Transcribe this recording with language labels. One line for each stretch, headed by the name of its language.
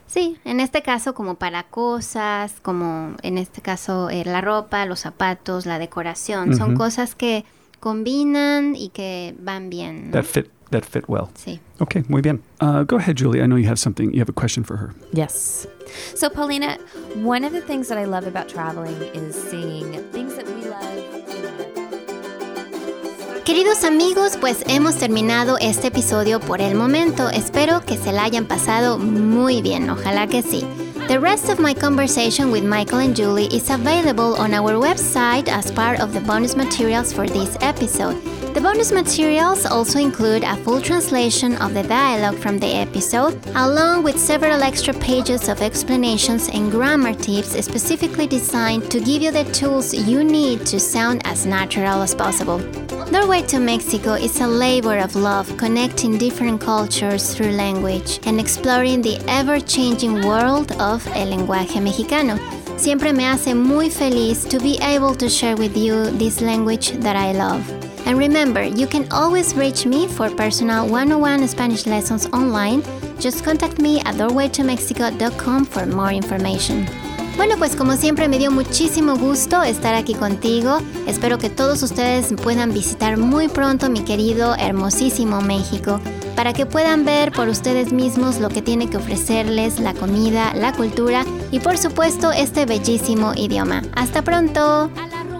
Spanish: Sí, en este caso como para cosas, como en este caso la ropa, los zapatos, la decoración. Mm-hmm. Son cosas que combinan y que van bien. ¿No?
English: That fit well.
Spanish: Sí.
English: Okay,
Spanish: muy bien.
English: Go ahead, Julie. I know you have something. You have a question for her. Yes. So, Paulina, one of the things that I love about traveling is seeing things that we love.
Spanish: Queridos amigos, pues hemos terminado este episodio por el momento. Espero que se la hayan pasado muy bien. Ojalá que sí.
English: The rest of my conversation with Michael and Julie is available on our website as part of the bonus materials for this episode. The bonus materials also include a full translation of the dialogue from the episode, along with several extra pages of explanations and grammar tips specifically designed to give you the tools you need to sound as natural as possible. Norway to Mexico is a labor of love, connecting different cultures through language and exploring the ever-changing world of
Spanish: el lenguaje mexicano. Siempre me hace muy feliz
English: to be able to share with you this language that I love. And remember, you can always reach me for personal 101 Spanish lessons online. Just contact me at doorwaytomexico.com for more information.
Spanish: Bueno, pues como siempre, me dio muchísimo gusto estar aquí contigo. Espero que todos ustedes puedan visitar muy pronto mi querido, hermosísimo México, para que puedan ver por ustedes mismos lo que tiene que ofrecerles la comida, la cultura y, por supuesto, este bellísimo idioma. ¡Hasta pronto! ¡Hasta pronto!